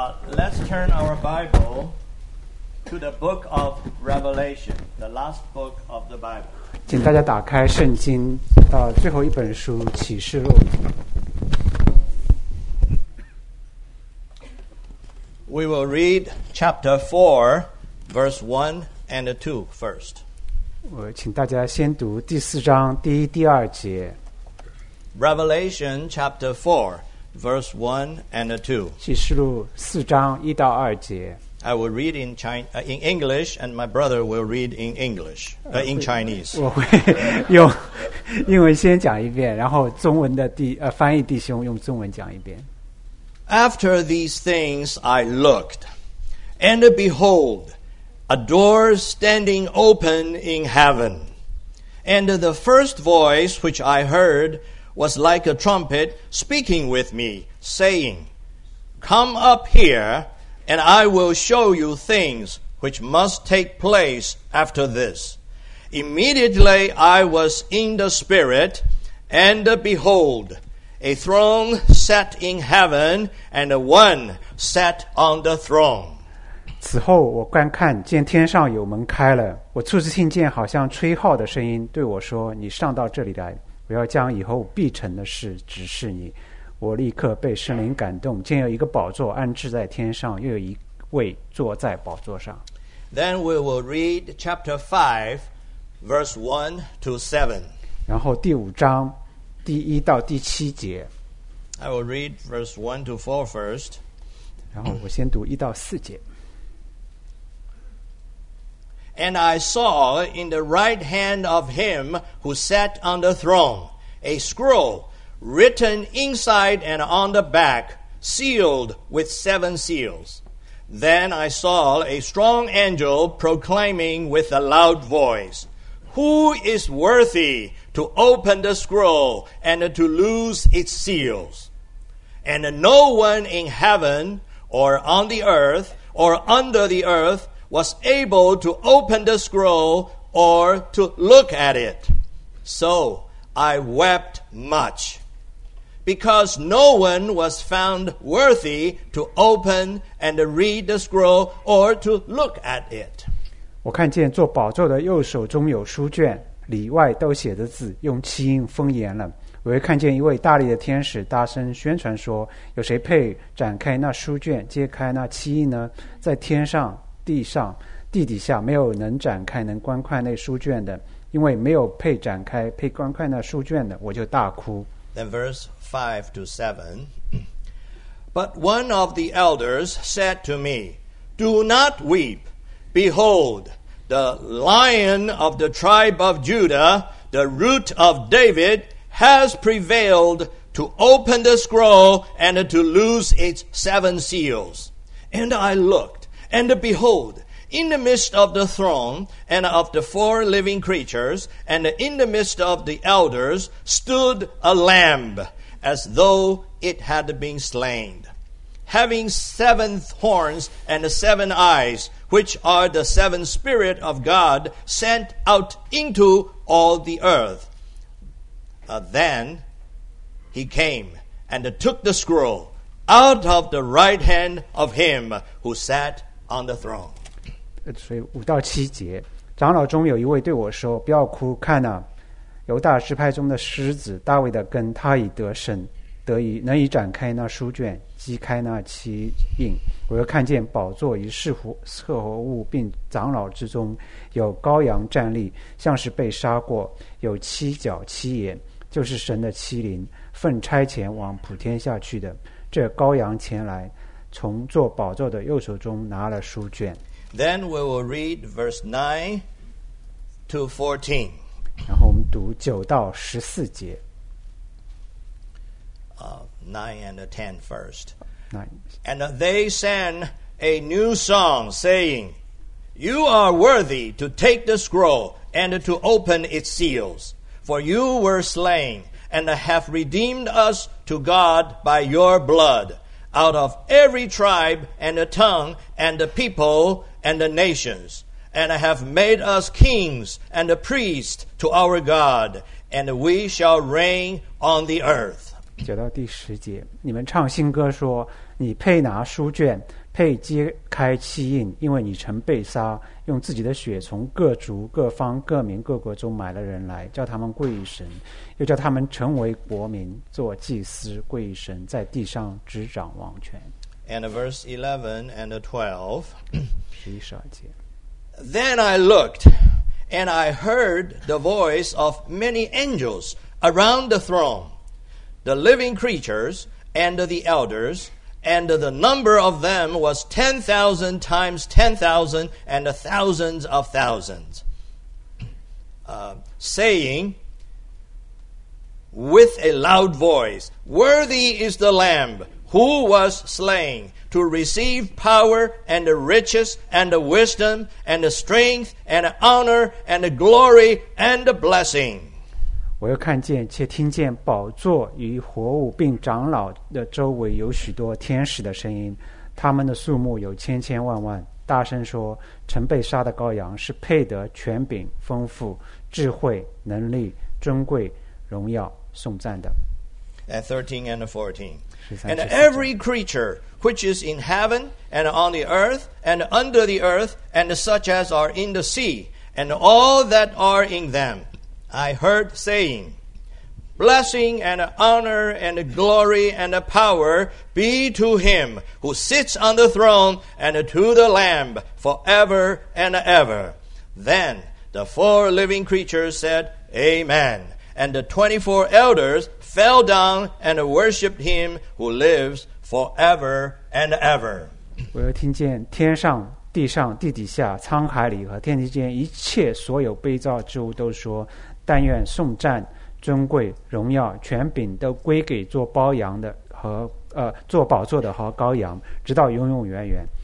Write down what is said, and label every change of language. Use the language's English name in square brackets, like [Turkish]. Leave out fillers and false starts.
[English] Let's turn our Bible to the book of Revelation, the last book of the Bible. [Chinese] 请大家打开圣经到最后一本书《启示录》。 [English] We will read chapter 4, verse 1 and 2 first. [Chinese] 我请大家先读第四章第一、第二节。 [English] Revelation chapter 4, verse 1 and 2. [Chinese] 启示录四章一到二节。 [English] I will read in, China, in English, and my brother will read in English, in Chinese. [Chinese] 我会用英文先讲一遍，然后中文的翻译弟兄用中文讲一遍。 [English] After these things I looked, and behold, a door standing open in heaven. And the first voice which I heard was like a trumpet speaking with me, saying, Come up here, and I will show you things which must take place after this. Immediately I was in the spirit, and behold,A throne set in heaven, and one sat on the throne. [Chinese] 此后我观看，见天上有门开了，我初次听见好像吹号的声音对我说，你上到这里来，我要将以后必成的事指示你。我立刻被圣灵感动，见有一个宝座安置在天上，又有一位坐在宝座上。 [English] Then we will read chapter 5, verse 1 to 7. [Chinese] 然后第五章第一到第七节。 [English] I will read verse 1 to 4 first. [Chinese] 然后我先读一到四节。 [English] And I saw in the right hand of him who sat on the throne a scroll written inside and on the back, sealed with seven seals. Then I saw a strong angel proclaiming with a loud voice, Who is worthy? To open the scroll and to loose its seals. And no one in heaven or on the earth or under the earth was able to open the scroll or to look at it. So I wept much because no one was found worthy to open and read the scroll or to look at it. [Chinese] 我看见坐宝座的右手中有书卷。里外都写的字用七印封严了。我又看见一位大力的天使大声宣传说：“有谁配展开那书卷，揭开那七印呢？” 在天上、地上、地底下，没有能展开、能观看那书卷的，因为没有配展开、配观看那书卷的，我就大哭。 [English] Then verse 5-7. But one of the elders said to me, "Do not weep. Behold." The lion of the tribe of Judah, the root of David, has prevailed to open the scroll and to loose its seven seals. And I looked, and behold, in the midst of the throne and of the four living creatures, and in the midst of the elders, stood a lamb, as though it had been slain, having seven horns and seven eyes,which are the seven spirit of God sent out into all the earth. Then he came and took the scroll out of the right hand of him who sat on the throne. [Chinese] 所以五到七节，长老中有一位对我说，不要哭，看啊，犹大支派中的狮子，大卫的根，他已得胜，能以展开那书卷，击开那七印。我又看见宝座与四活物并长老之中有羔羊站立，像是被杀过，有七角七眼，就是神的七灵，奉差遣往普天下去的。这羔羊前来，从坐宝座的右手中拿了书卷。 [English] Then we will read verse 9-14. [Chinese] 然后我们读九到十四节。 [English] Nine and ten first. Nine. And they sang a new song, saying, You are worthy to take the scroll and to open its seals. For you were slain and have redeemed us to God by your blood, out of every tribe and tongue and people and nations. and have made us kings and priests to our God, and we shall reign on the earth. [Chinese] 九到第十节，你们唱新歌说，你配拿书卷，配揭开七印，因为你曾被杀，用自己的血从各族、各方、各民、各国中买了人来，叫他们归于神，又叫他们成为国民，做祭司，归于神，在地上执掌王权。 [English] And verse 11 and 12. [Chinese] 第十二节。 [English] Then I looked, and I heard the voice of many angels around the throne, the living creatures and the elders, and the number of them was 10,000 times 10,000 and thousands of thousands, saying with a loud voice, Worthy is the Lamb who was slain. To receive power and riches and wisdom and strength and honor and glory and blessing. [Chinese] 我又看见且听见宝座与活物并长老的周围有许多天使的声音，他们的数目有千千万万，大声说：曾被杀的羔羊是配得权柄、丰富、智慧、能力、尊贵、荣耀、颂赞的。 [English] And 13 and 14. And every creature which is in heaven and on the earth and under the earth and such as are in the sea and all that are in them, I heard saying, Blessing and honor and glory and power be to him who sits on the throne and to the Lamb forever and ever. Then the four living creatures said, Amen. And the 24 elders fell down and worshipped him who lives forever and ever. [Chinese] 我又听见天上、地上、地底下、沧海里和天地间一切所有被造之物都说：但愿颂赞、尊贵、荣耀、权柄都归给做羔羊的和做宝座的和羔羊，直到永永远远。